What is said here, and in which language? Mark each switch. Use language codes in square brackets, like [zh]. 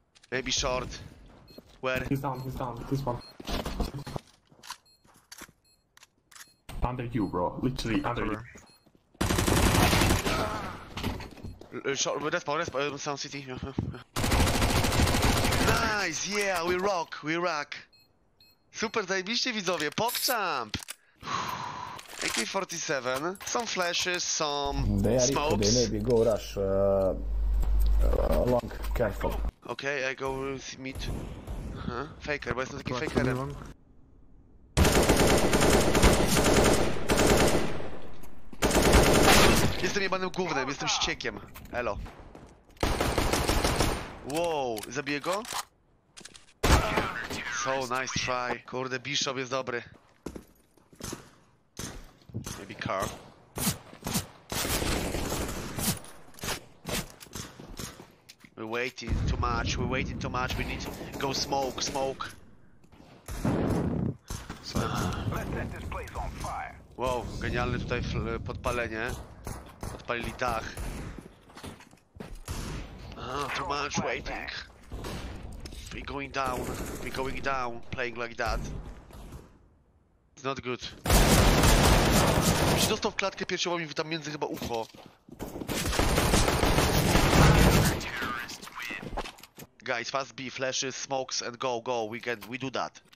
[en] Maybe short. Where? He's down, this one. Under you, bro, literally under you. Short, respawn, sound city. Nice, yeah, we rock. [pl] Super, zajebiście widzowie, popchamp! [en] AK-47, some flashes, some they smokes. They maybe go rush, long, careful. Okay, I go with meet. Huh? [pl] Faker, bo jest taki fakerem. Jestem jebanym gównem, jestem ściekiem. Elo. Wow, zabiję go? [en] So nice try. [pl] Kurde, Bishop jest dobry. [en] Maybe car. We're waiting too much. We need to go smoke. Let's set this place on fire. [pl] Wow, genialne tutaj podpalenie. Podpalili dach. [en] Too much waiting. We're going down, playing like that. It's not good. [pl] Przy dostał w klatkę piersiową i tam między chyba ucho. [en] Guys, fast B, flashes, smokes and go, we do that.